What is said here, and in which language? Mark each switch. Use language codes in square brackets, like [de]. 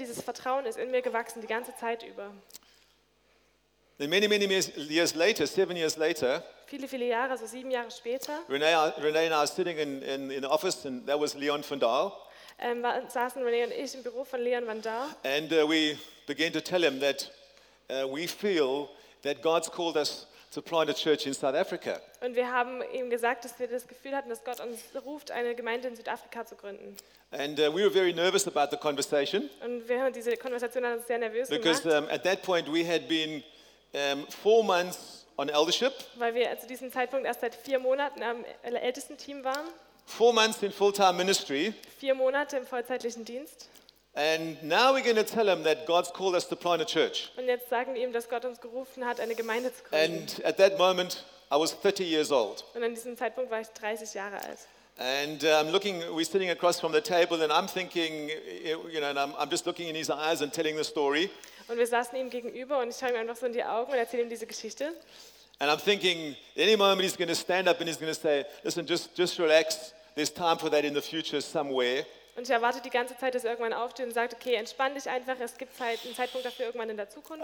[de] Dieses Vertrauen ist in mir gewachsen die ganze Zeit über. [en] Then many years later, 7 years later, [de] viele Jahre, so 7 Jahre später, [en] Renee and I were sitting in the office, and that was Leon van Dahl. [de] Saßen René und ich im Büro von Leon van Dahl. [en] And we began to tell him that we feel that God's called us to plant a church in South Africa. [de] Und wir haben ihm gesagt, dass wir das Gefühl hatten, dass Gott uns ruft, eine Gemeinde in Südafrika zu gründen. [en] And we were very nervous about the conversation. [de] Und wir haben diese Konversation sehr nervös gemacht. [en] Because at that point we had been 4 months on eldership. [de] Weil wir zu diesem Zeitpunkt erst seit 4 Monaten am ältesten Team waren. [en] 4 months in full-time ministry. [de] 4 Monate im vollzeitlichen Dienst. [en] And now we're going to tell him that God's called us to plant a church. [de] Und jetzt sagen wir ihm, dass Gott uns gerufen hat, eine Gemeinde zu gründen. [en] And at that moment, I was 30 years old. [de] Und an diesem Zeitpunkt war ich 30 Jahre alt. [en] And I'm looking, we're sitting across from the table, and I'm thinking, you know, and I'm just looking in his eyes and telling the story. [de] Und wir saßen ihm gegenüber, und ich schaue ihm einfach so in die Augen und erzähle ihm diese Geschichte. [en] And I'm thinking, any moment he's going to stand up and he's going to say, listen, just relax. There's time for that in the future somewhere. [de] Und ich erwarte die ganze Zeit, dass er irgendwann aufsteht und sagt, okay, entspann dich einfach. Es gibt halt einen Zeitpunkt dafür irgendwann in der Zukunft.